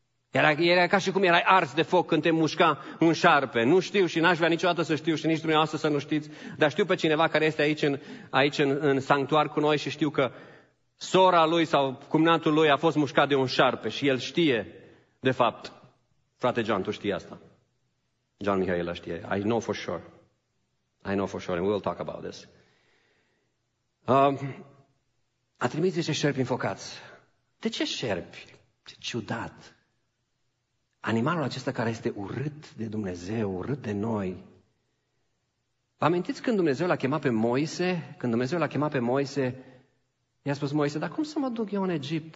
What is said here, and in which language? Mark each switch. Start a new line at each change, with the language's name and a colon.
Romanian: Era ca și cum erai ars de foc când te mușca un șarpe. Nu știu și n-aș vrea niciodată să știu și nici dumneavoastră să nu știți, dar știu pe cineva care este aici în sanctuar cu noi și știu că sora lui sau cumnatul lui a fost mușcat de un șarpe și el știe, de fapt. Frate John, tu știi asta. John Mihaela știe.
English: I know for sure, and we will talk about this.
Romanian: A trimis niște șerpi înfocați. De ce șerpi? Ce ciudat. Animalul acesta care este urât de Dumnezeu, urât de noi. Vă amintiți când Dumnezeu l-a chemat pe Moise? Când Dumnezeu l-a chemat pe Moise, i-a spus Moise, dar cum să mă duc eu în Egipt?